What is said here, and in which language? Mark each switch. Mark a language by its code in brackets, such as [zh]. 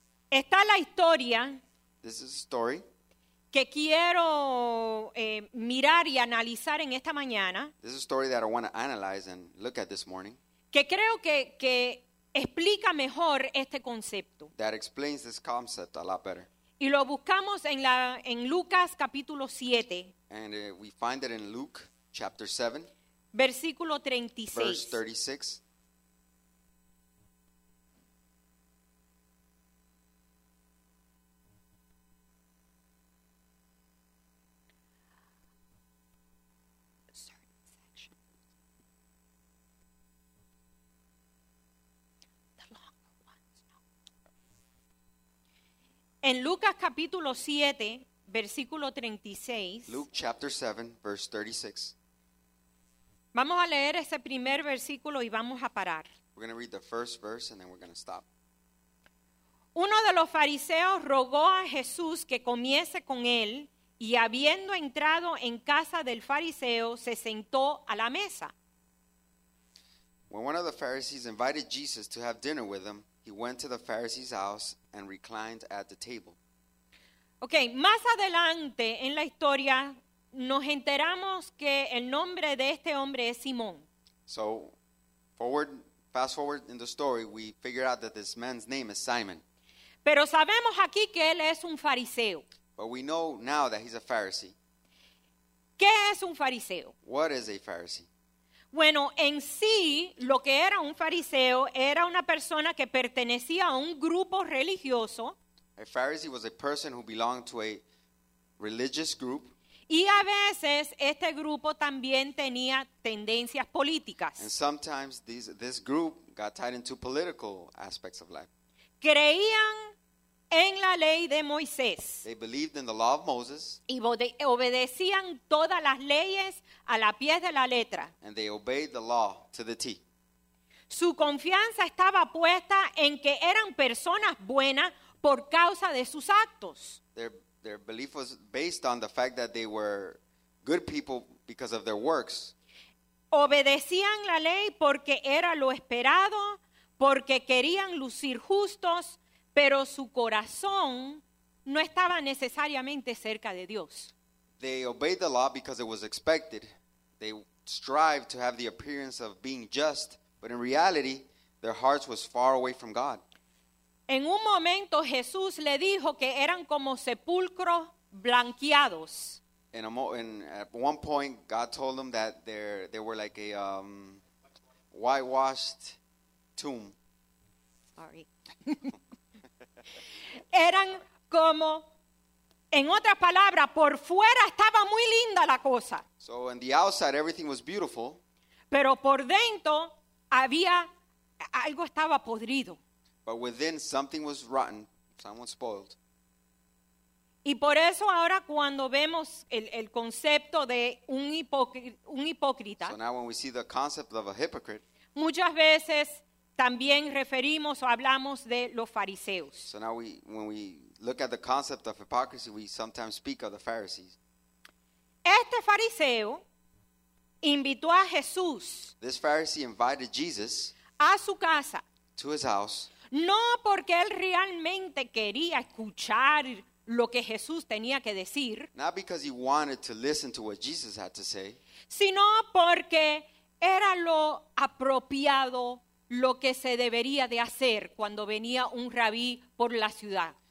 [es] Está la historia. [en] This is a story. [es] Que quiero mirar y analizar en esta mañana. [en] This is a story that I want to analyze and look at this morning. [es] Que creo que explica mejor este concepto. [en] That explains this concept a lot better. [es] Y lo buscamos en Lucas capítulo 7. [en] And we find it in Luke chapter 7. [es] Versículo 36. [en] Verse 36. [es] En Lucas capítulo 7, versículo 36. [en] Luke chapter 7, verse 36. [es] Vamos a leer ese primer versículo y vamos a parar. [en] We're going to read the first verse and then we're going to stop. [es] Uno de los fariseos rogó a Jesús que comiese con él y habiendo entrado en casa del fariseo, se sentó a la mesa. [en] When one of the Pharisees invited Jesus to have dinner with him, he went to the Pharisee's house and reclined at the table. [es] Okay, más adelante en la historia nos enteramos que el nombre de este hombre es Simón. [en] So, fast forward in the story, we figure out that this man's name is Simon. [es] Pero sabemos aquí que él es un fariseo. [en] But we know now that he's a Pharisee. [es] ¿Qué es un fariseo? [en] What is a Pharisee? [es] Bueno, en sí, lo que era un fariseo era una persona que pertenecía a un grupo religioso. [en] A Pharisee was a person who belonged to a religious group. [es] Y a veces este grupo también tenía tendencias políticas. [en] And sometimes this group got tied into political aspects of life. [es] Creían en la ley de Moisés. [en] They believed in the law of Moses. [es] Y obedecían todas las leyes a la pie de la letra. [en] And they obeyed the law to the T. [es] Su confianza estaba puesta en que eran personas buenas por causa de sus actos. [en] Their belief was based on the fact that they were good people because of their works. [es] Obedecían la ley porque era lo esperado, porque querían lucir justos, pero su corazón no estaba necesariamente cerca de Dios. [en] They obeyed the law because it was expected. They strived to have the appearance of being just, but in reality, their hearts was far away from God. [es] En un momento Jesús le dijo que eran como sepulcros blanqueados. [en] At one point God told them that they were like a whitewashed tomb. Sorry. [es] Eran como, en otras palabras, por fuera estaba muy linda la cosa. [en] So on the outside everything was beautiful. [es] Pero por dentro había, algo estaba podrido. [en] But within, something was rotten, someone spoiled. [es] Y por eso ahora cuando vemos el concepto de un hipócrita, [en] so now when we see the concept of a hypocrite, [es] muchas veces también referimos o hablamos de los fariseos. [en] So now when we look at the concept of hypocrisy, we sometimes speak of the Pharisees. [es] Este fariseo invitó a Jesús. [en] This Pharisee invited Jesus [es] a su casa. [en] To his house. [es] No porque él realmente quería escuchar lo que Jesús tenía que decir. [en] Not because he wanted to listen to what Jesus had to say. [es] Sino porque era lo apropiado, lo que se debería de hacer cuando venía un rabí por la ciudad.